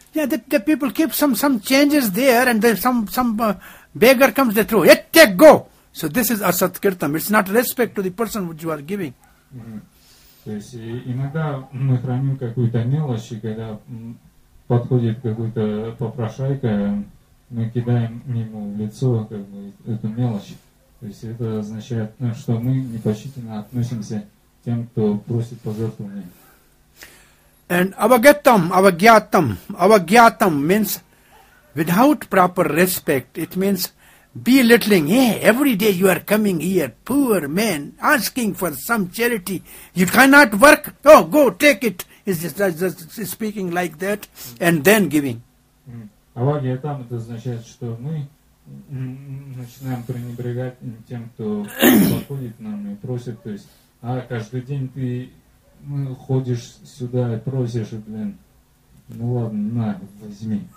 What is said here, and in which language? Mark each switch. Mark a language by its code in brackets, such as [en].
[en] Yeah, the people keep some changes there, and then beggar comes, they throw, hey, take, go. So this is asatkirtam. It's not respect to the person which you are giving. [ru] То есть иногда мы храним какую-то мелочь, и когда подходит какой-то попрошайка, мы кидаем ему в лицо эту мелочь. То есть это означает, что мы непочтительно относимся к тем, кто просит пожертвования. [en] And avagatam, avagyatam, avagyatam means without proper respect. It means belittling. Hey, every day you are coming here, poor man, asking for some charity. You cannot work? Oh, go, take it. Is just speaking like that and then giving. [ru] Avagyatam, это означает, что мы начинаем пренебрегать тем, кто подходит нам и просит. То есть, каждый день ты ходишь сюда и просишь, блин, ну ладно, на, возьми.